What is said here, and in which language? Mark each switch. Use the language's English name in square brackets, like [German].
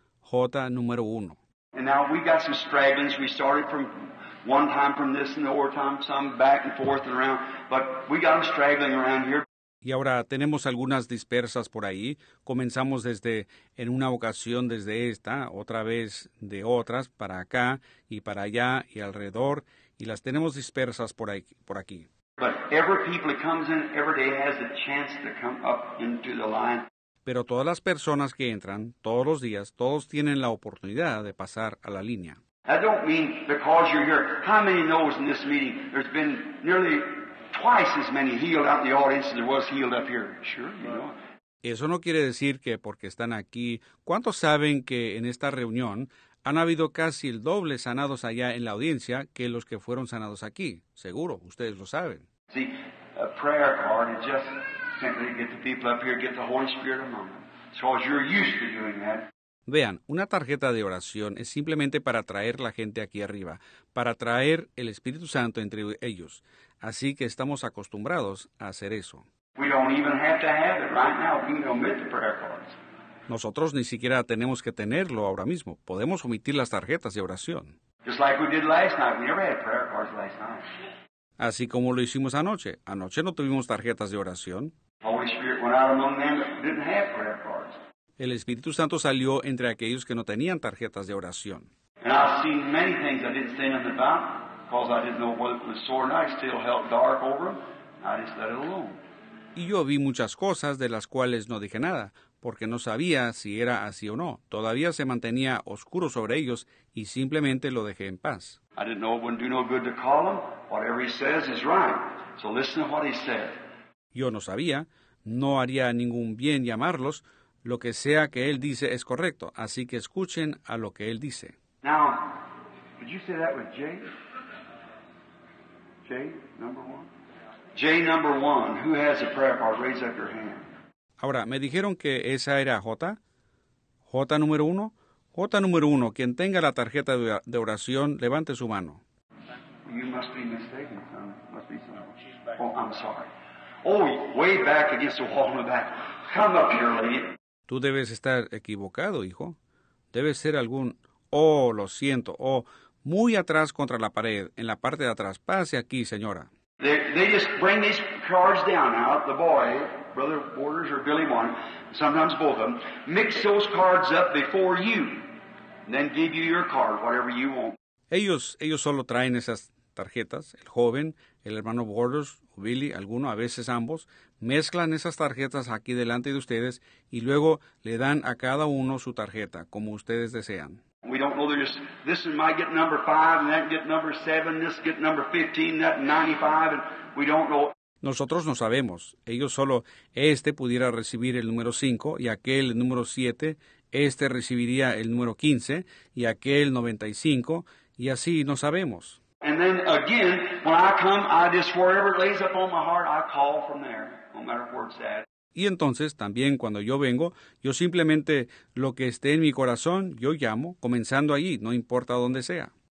[Spanish] J número uno. [English] And now we got some stragglers. We started from one time from this and the other time, some back and forth and around. But we got them straggling around here. [Spanish] Y ahora tenemos algunas dispersas por ahí. Comenzamos desde, en una ocasión desde esta, otra vez de otras, para acá y para allá y alrededor. Y las tenemos dispersas por aquí. [English] But every people that comes in every day has a chance to come up into the line. [Spanish] Pero todas las personas que entran todos los días, todos tienen la oportunidad de pasar a la línea. [English] I don't mean because you're here. How many knows in this meeting there's been nearly twice as many healed out in the audience as there was healed up here? Sure, you know. [Spanish] Eso no quiere decir que porque están aquí, ¿cuántos saben que en esta reunión han habido casi el doble sanados allá en la audiencia que los que fueron sanados aquí? Seguro, ustedes lo saben. [English] See, a prayer card is just simply to get the people up here, get the Holy Spirit among them. So you're used to doing that. [Spanish] Vean, una tarjeta de oración es simplemente para traer la gente aquí arriba, para traer el Espíritu Santo entre ellos. Así que estamos acostumbrados a hacer eso. [English] We don't even have to have it right now. We can omit the prayer cards. [Spanish] Nosotros ni siquiera tenemos que tenerlo ahora mismo. Podemos omitir las tarjetas de oración. [English] Just like we did last night. We never had prayer cards last night. [Spanish] Así como lo hicimos anoche. Anoche no tuvimos tarjetas de oración. [English] Holy Spirit went out among them that didn't have prayer cards. [Spanish] El Espíritu Santo salió entre aquellos que no tenían tarjetas de oración. [English] And I've seen many things I didn't say nothing about because I didn't know whether it was sore or not. I still held dark over them. I just let it alone. [Spanish] Y yo vi muchas cosas de las cuales no dije nada, porque no sabía si era así o no. Todavía se mantenía oscuro sobre ellos y simplemente lo dejé en paz. [English] I didn't know it wouldn't do no good to call him. Whatever he says is right. So listen to what he said. [Spanish] Yo no sabía. No haría ningún bien llamarlos. Lo que sea que él dice es correcto. Así que escuchen a lo que él dice. [English] Now, did you say that with Jay? Jay, number one. J number one, who has a prayer card? Raise up your hand. [Spanish] Ahora, me dijeron que esa era J. J número uno. J número uno, quien tenga la tarjeta de oración, levante su mano. [English] You must be mistaken, son. Must be something. Oh, I'm sorry. Oh, way back against the wall in the back. Come up here, lady. [Spanish] Tú debes estar equivocado, hijo. Debe ser algún... Oh, lo siento. Oh, muy atrás contra la pared, en la parte de atrás. Pase aquí, señora. [English] They just bring these cards down now, the boy, Brother Borders or Billy One, sometimes both of them, mix those cards up before you, and then give you your card, whatever you want. [Spanish] Ellos solo traen esas tarjetas, el joven, el hermano Borders, o Billy, alguno, a veces ambos, mezclan esas tarjetas aquí delante de ustedes, y luego le dan a cada uno su tarjeta, como ustedes desean. [English] We don't know, they're just, this one might get number 5, and that get number 7, this get number 15, that 95, and we don't know. [Spanish] Nosotros no sabemos. Ellos solo, este pudiera recibir el número 5, y aquel el número 7, este recibiría el número 15, y aquel 95, y así no sabemos. [English] And then again, when I come, I just, wherever it lays up on my heart, I call from there, no matter where it's at. [Spanish] Y entonces, también cuando yo vengo, yo simplemente, lo que esté en mi corazón, yo llamo, comenzando allí, no importa dónde sea.